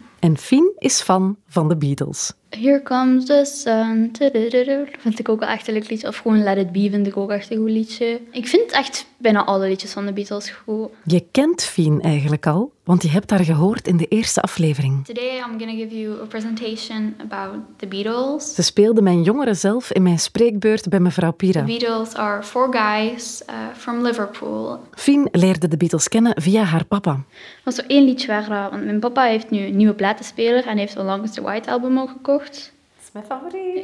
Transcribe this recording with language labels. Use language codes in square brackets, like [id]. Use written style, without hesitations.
[nl] En Fien is fan van de Beatles. [en] Here comes the sun. [nl] Vind ik ook wel echt een leuk liedje. Of gewoon Let It Be vind ik ook echt een goed liedje. Ik vind echt bijna alle liedjes van de Beatles goed. Je kent Fien eigenlijk al, want je hebt haar gehoord in de eerste aflevering. [en] Today I'm going to give you a presentation about the Beatles. [nl] Ze speelde mijn jongere zelf in mijn spreekbeurt bij mevrouw Pira. [en] The Beatles are four guys from Liverpool. [nl] Fien leerde de Beatles kennen via haar papa. Er was zo één liedje waar, want mijn papa heeft nu een nieuwe platenspeler en heeft onlangs de White Album al gekocht. Dat is mijn favoriet.